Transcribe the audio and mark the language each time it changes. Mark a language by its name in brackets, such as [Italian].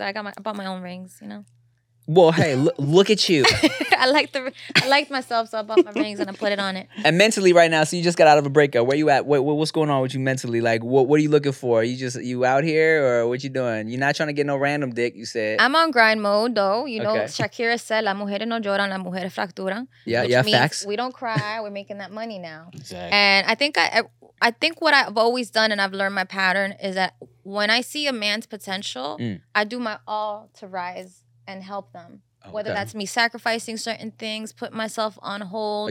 [English] I bought my own rings, you know? Well, hey, look at you. I liked myself, so I bought my rings and I put it on it. And mentally right now, so you just got out of a breakup. Where you at? What's going on with you mentally? Like, what are you looking for? You out here or what you doing? You're not trying to get no random dick, you said. I'm on grind mode, though. You know, okay. Shakira said, [Spanish] las mujeres no lloran, las mujeres fracturan. [English] Yeah, which yeah, means facts. We don't cry. We're making that money now. Exactly. And I think what I've always done and I've learned my pattern is that when I see a man's potential, I do my all to rise and help them. Okay. Whether that's me sacrificing certain things, put myself on hold.